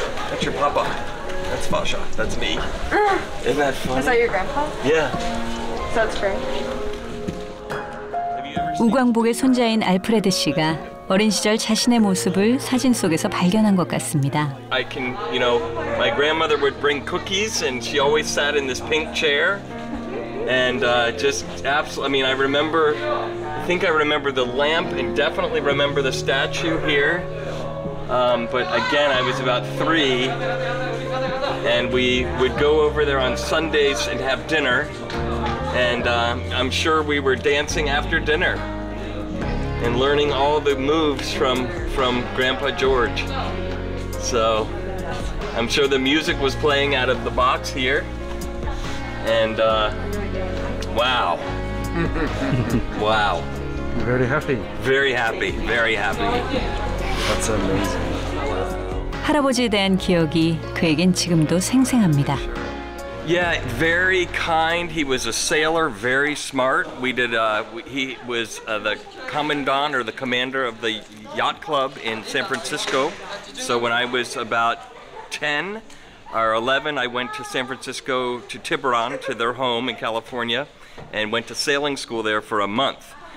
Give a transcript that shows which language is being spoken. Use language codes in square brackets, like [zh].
[en] That's your papa. That's Basha. That's me. Isn't that funny? Is that your grandpa? Yeah. That's great. [ko] 우광복의 손자인 알프레드 씨가 어린 시절 자신의 모습을 사진 속에서 발견한 것 같습니다. [en] I can, you know, my grandmother would bring cookies and she always sat in this pink chair. And just absolutely, I mean, I think I remember the lamp and definitely remember the statue here. But again, I was about three, and we would go over there on Sundays and have dinner, and I'm sure we were dancing after dinner and learning all the moves from Grandpa George. So I'm sure the music was playing out of the box here, and wow. Wow. Very happy. Very happy. Very happy. That's amazing. [ko] 할아버지에 대한 기억이 그에겐 지금도 생생합니다. [en] Yeah, very kind. He was a sailor, very smart. We did he was the commandant or the commander of the yacht club in San Francisco. So when I was about 10 or 11, I went to San Francisco to Tiburon, to their home in California, and went to sailing school there for a month.